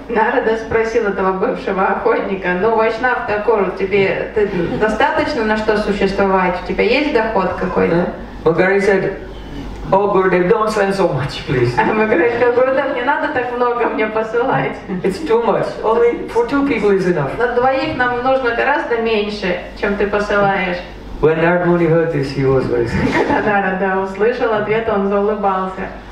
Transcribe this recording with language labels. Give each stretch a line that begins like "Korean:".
Russian: Narada спросил этого бывшего охотника: "Ну, Вайшнав Такур, тебе достаточно на что существовать? У тебя есть доход какой-то?"
English: Magari said, "Oh, Gurudev, don't send so much, please."
Russian: А Magari сказал: "Гурудев, не надо так много мне посылать."
English: It's too much. Only for two people is enough.
Russian: На двоих нам нужно гораздо меньше, чем ты посылаешь.
English: When Narada Muni heard this, he was very sad.
Russian: Когда Narada услышал ответ, он заулыбался.